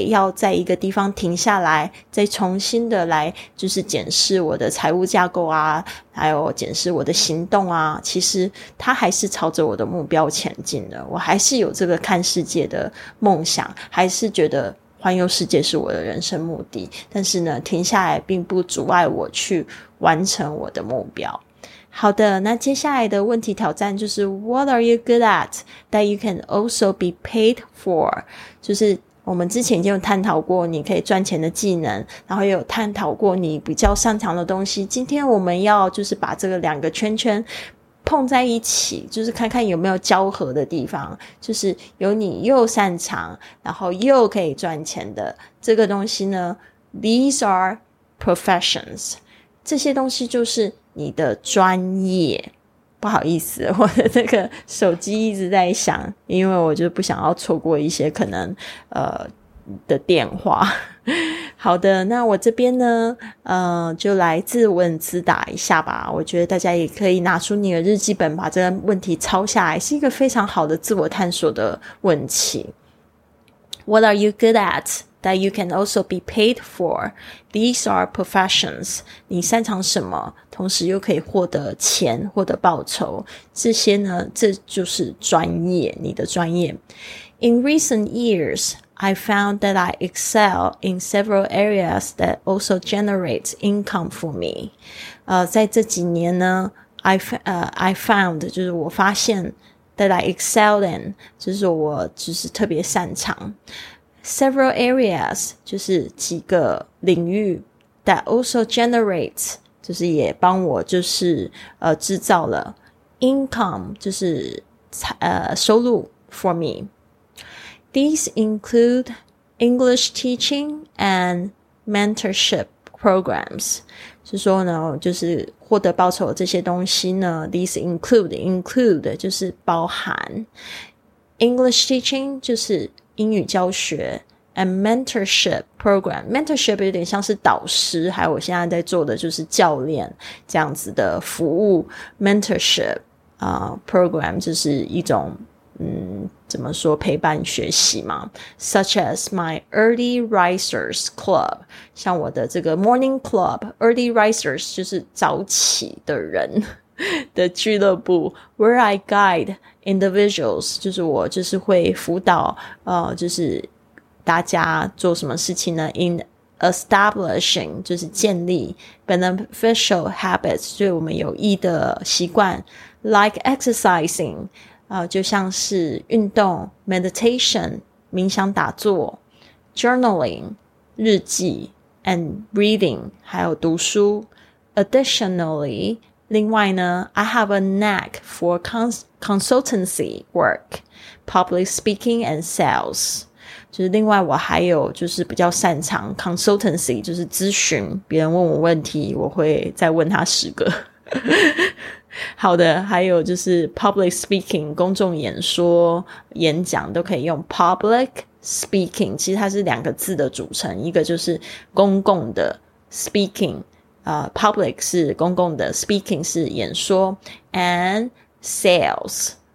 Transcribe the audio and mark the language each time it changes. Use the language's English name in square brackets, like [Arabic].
[Chinese] 在一个地方停下来，再重新的来就是检视我的财务架构啊，还有检视我的行动啊，其实它还是朝着我的目标前进的，我还是有这个看世界的梦想，还是觉得环游世界是我的人生目的，但是呢停下来并不阻碍我去完成我的目标。好的，那接下来的问题挑战就是 [English] What are you good at that you can also be paid for? [Chinese] 就是我们之前已经有探讨过你可以赚钱的技能，然后也有探讨过你比较擅长的东西，今天我们要就是把这个两个圈圈碰在一起，就是看看有没有交合的地方，就是有你又擅长然后又可以赚钱的这个东西呢。 [English] These are professions， [Chinese] 这些东西就是你的专业。不好意思，我的这个手机一直在响，因为我就不想要错过一些可能的电话。好的，那我这边呢就来自问自答一下吧。我觉得大家也可以拿出你的日记本把这个问题抄下来，是一个非常好的自我探索的问题。 [English] What are you good at that you can also be paid for? These are professions. [Chinese] 你擅长什么同时又可以获得钱获得报酬，这些呢这就是专业，你的专业。 [English] In recent years, I found that I excel in several areas that also generate income for me. [Chinese] 在这几年呢 [English] I found [Chinese] 就是我发现 [English] that I excel in [Chinese] 就是我就是特别擅长 [English] several areas [Chinese] 就是几个领域 [English] that also generate [Chinese] 就是也帮我就是制造了 [English] income [Chinese] 就是收入 [English] for me. These include English teaching and mentorship programs. [Chinese] 是说呢就是获得报酬这些东西呢 [English] These include [Chinese] 就是包含 [English] English teaching [Chinese] 就是英语教学 [English] And mentorship program. [Chinese] Mentorship 有点像是导师，还有我现在在做的就是教练这样子的服务。 Mentorship, program 就是一种怎么说陪伴学习嘛。 [English] Such as my early risers club. [Chinese] 像我的这个 morning club, early risers 就是早起的人的俱乐部。 [English] Where I guide individuals, [Chinese] 就是我就是会辅导就是大家做什么事情呢 ? [English] In establishing, [Chinese] 就是建立 [English] beneficial habits, [Chinese] 对我们有益的习惯 , [English] like exercising, [Chinese] 就像是运动 ,meditation, 冥想打坐 ,journaling, 日记 , [English] and reading, [Chinese] 还有读书。 [English] Additionally, [Chinese] 另外呢 [English] ,I have a knack for consultancy work, public speaking and sales. [Chinese] 就是另外我还有就是比较擅长 consultancy, 就是咨询别人问我问题我会再问他10个。好的，还有就是 public speaking, 公众演说演讲都可以用 public speaking, 其实它是两个字的组成，一个就是公共的 speaking, public 是公共的 speaking 是演说 and sales,